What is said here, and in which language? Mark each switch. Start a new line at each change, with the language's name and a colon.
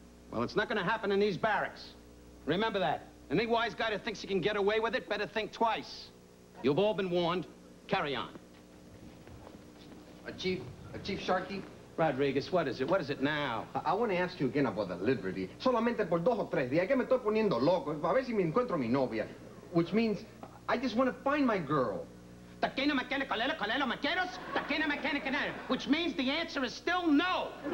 English: Well, it's not going to happen in these barracks. Remember that. Any wise guy that thinks he can get away with it better think twice. You've all been warned. Carry on. Chief, Chief Sharkey? Rodriguez, what is it? What is it now? I want to ask you again about the Liberty.
Spanish: Solamente por dos o tres días. Que me estoy poniendo loco. A ver si me encuentro mi novia.
English: Which means, I just want to find my girl. Which means the answer is still no.